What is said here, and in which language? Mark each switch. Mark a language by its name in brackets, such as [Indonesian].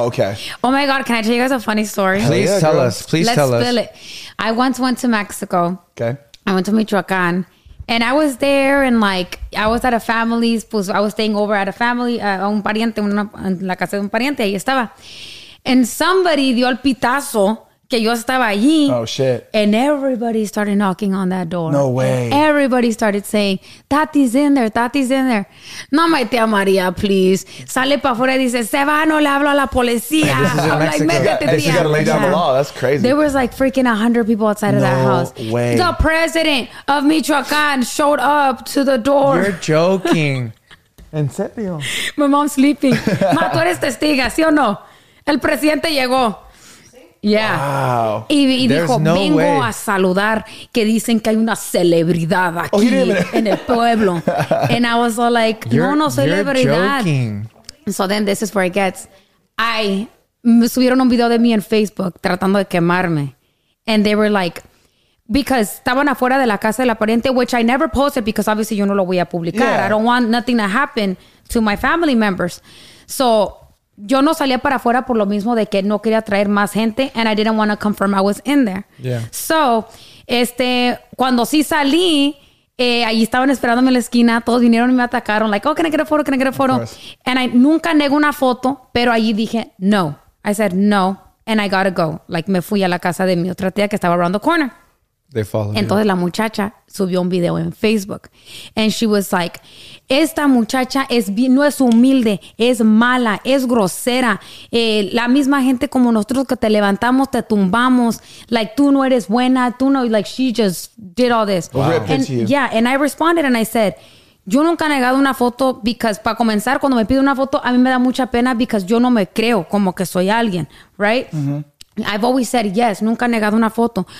[English] Oh, okay. Oh my God. Can I tell you guys a funny story? Please tell us. I once went to Mexico. Okay. I went to Michoacan and I was there and like, I was at a family's, pues, I was staying over at a family, [Spanish] un pariente, en la casa de un pariente, ahí estaba. [English] And somebody [Spanish] dio el pitazo que yo estaba allí. [English] Oh, shit. And everybody started knocking on that door. No way. And everybody started saying, Tati's in there, Tati's in there. No, my tía María, please. [Spanish] Sale para afuera y dice, se va, no le hablo a la policía. [English] They got to lay down the law. That's crazy. There was like freaking 100 people outside of that house. No way. The president of Michoacan showed up to the door. You're joking. [Spanish] En serio. [English] My mom's sleeping. [Spanish] Ma, tú eres testiga, ¿sí o no? El presidente llegó. [English] Yeah. Wow. [Spanish] Y dijo, no vengo way. A saludar que dicen que hay una celebridad aquí en el pueblo. [English] And I was all like, [Spanish] no celebridad. [English] You're joking. So then this is where it gets. [Spanish] Me subieron un video de mí en Facebook tratando de quemarme. [English] And they were like, because [Spanish] estaban afuera de la casa de la pariente, [English] which I never posted because obviously [Spanish] yo no lo voy a publicar. [English] Yeah. I don't want nothing to happen to my family members. [Spanish] So... yo no salía para afuera por lo mismo de que no quería traer más gente [English] and I didn't want to confirm I was in there. Yeah. [Spanish] So, cuando sí salí, ahí estaban esperándome en la esquina, todos vinieron y me atacaron, [English] like, oh, can I get a photo, can I get a photo? And I [Spanish] nunca negué una foto, pero allí dije, no. [English] I said, no, and I gotta go. [Spanish] Like, me fui a la casa de mi otra tía que estaba [English] around the corner. They followed [Spanish] Entonces la muchacha subió un video en Facebook [English] and she was like, [Spanish] esta muchacha no es humilde, es mala, es grosera. La misma gente como nosotros que te levantamos, te tumbamos. [English] Like, [Spanish] tú no eres buena, tú no, [English] like, she just did all this. Wow. And I responded and I said, [Spanish] yo nunca he negado una foto because, para comenzar, cuando me pide una foto, a mí me da mucha pena because yo no me creo como que soy alguien, right? Mm-hmm. [English] I've always said yes, [Spanish] nunca negado una foto.